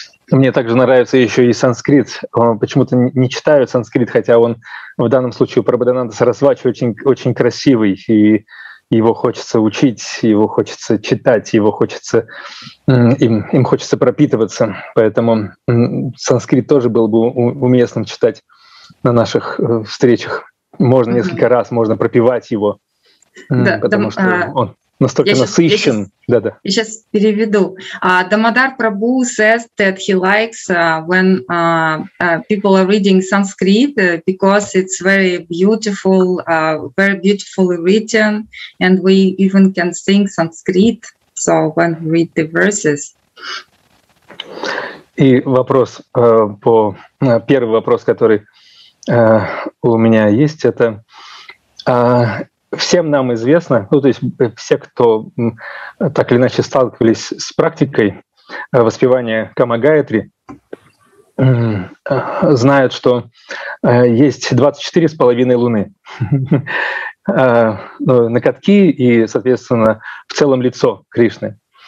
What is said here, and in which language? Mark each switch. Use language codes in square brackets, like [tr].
[ru] Мне также нравится еще и санскрит. Почему-то не читаю санскрит, хотя он в данном случае у Прабхудананда Сарасвати очень, очень красивый, и его хочется учить, его хочется читать, его хочется, им хочется пропитываться. Поэтому санскрит тоже было бы уместным читать на наших встречах. Можно несколько раз, можно пропевать его, потому что он... Настолько насыщен. Я сейчас переведу. [en] Дамодар Прабу says that he likes when people are reading Sanskrit because it's very beautiful, very beautifully written, and we even can sing Sanskrit. So when we read the verses. [ru] И вопрос по первый вопрос, который у меня есть, это. Всем нам известно, ну то есть все, кто так или иначе сталкивались с практикой воспевания Кама-Гаятри, знают, что есть 24,5 луны на катки и, соответственно, в целом лицо Кришны.